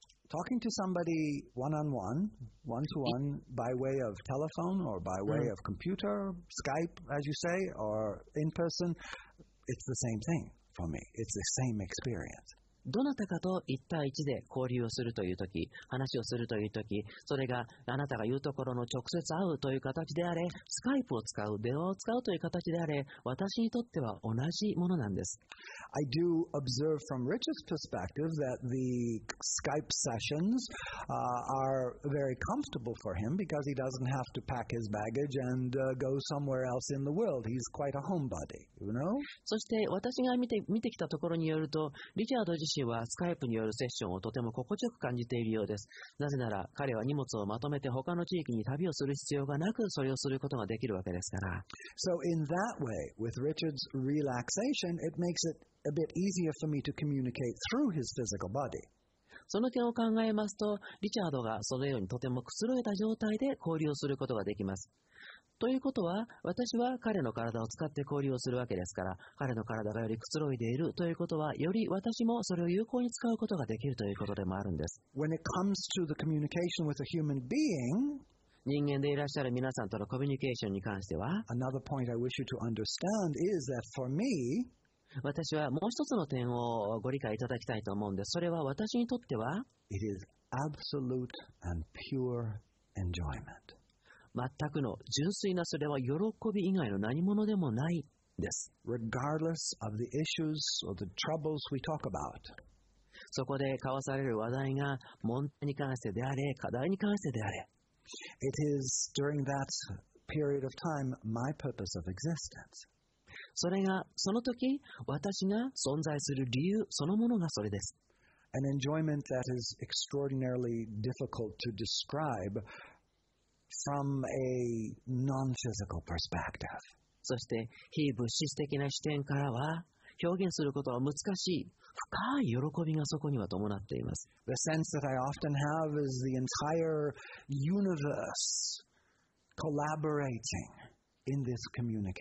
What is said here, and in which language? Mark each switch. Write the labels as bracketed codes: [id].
[en] talking to somebody one-on-one, one-to-one, by way of telephone or by way of computer, Skype, as you say, or in person, it's the same thing for me. It's the same experience. [ja] どなたかと一対一で交流をするというとき、話をするというとき、それがあなたが言うところの直接会うという形であれ、スカイプを使う、電話を使うという形であれ、私にとっては同じものなんです。 [en] I do observe from Rich's perspective that the Skype sessions are very comfortable for him because he doesn't have to pack his baggage and go somewhere else in the world. He's quite a homebody, you know? [ja] そして私が見てきたところによると、リチャード自身はスカイプによるセッションをとても心地よく感じているようです。なぜなら彼は荷物をまとめて他の地域に旅をする必要がなくそれをすることができるわけですから。 [en] So in that way, with Richard's relaxation, it makes it a bit easier for me to communicate through his physical body. [ja] その点を考えますと、リチャードがそのようにとてもくつろげた状態で交流をすることができます。ということは、私は彼の体を使って交流をするわけですから、彼の体がよりくつろいでいるということは、より私もそれを有効に使うことができるということでもあるんです。 [en] When it comes to the communication with a human being, [ja] 人間でいらっしゃる皆さんとのコミュニケーションに関しては、 [en] Another point I wish you to understand is that for me, [ja] 私はもう一つの点をご理解いただきたいと思うんです。それは私にとっては、 [en] It is absolute and pure enjoyment. [ja] 全くの純粋なそれは喜び以外の何物でもないです。 [en] Regardless of the issues or the troubles we talk about. [ja] そこで交わされる話題が問題に関してであれ、課題に関してであれ。 [en] It is during that period of time my purpose of existence. [ja] それがその時私が存在する理由そのものがそれです。 [en] An enjoyment that is extraordinarily difficult to describe from a non-physical perspective. [ja] そして非物質的な視点からは表現することは難しい深い喜びがそこには伴っています。 [en] The sense that I often have is the entire universe collaborating in this communication.